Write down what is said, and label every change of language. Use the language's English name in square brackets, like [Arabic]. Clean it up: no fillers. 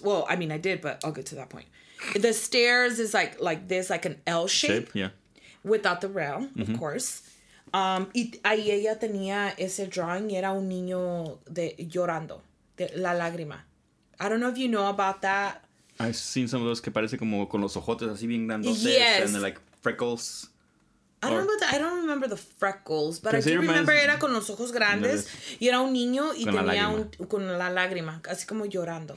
[English] Well, I mean, I did, but I'll get to that point. The stairs is like this, like an L shape. Yeah. Without the rail, mm-hmm. of course. [Spanish] Y ella tenía ese drawing y era un niño de llorando, de la lágrima. [English] I don't know if you know about that. I've seen some of those [Spanish] que parece como con los ojotes así bien grandotes. Yes. [English] And they're like freckles. I don't remember the freckles, but I do remember [Spanish] era con los ojos grandes y era un niño y tenía con la lágrima, así como llorando.